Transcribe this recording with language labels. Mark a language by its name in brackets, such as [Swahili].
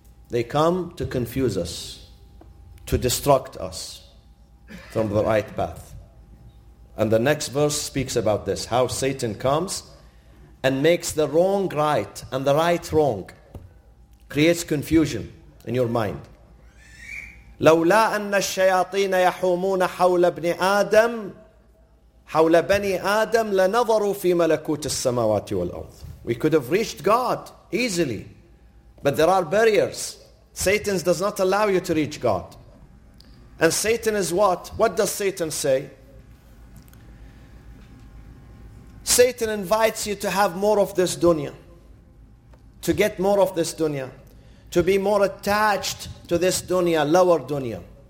[English] They come to confuse us, to distract us from the right path. And the next verse speaks about this, how Satan comes and makes the wrong right and the right wrong, creates confusion in your mind. [Arabic] لولا أن الشياطين يحومون حول ابن آدم حول بني آدم لنظروا في ملكوت السماوات والأرض. [English] We could have reached God easily, but there are barriers. Satan does not allow you to reach God. And Satan is what? What does Satan say? Satan invites you to have more of this dunya, to get more of this dunya, to be more attached to this dunya, lower dunya.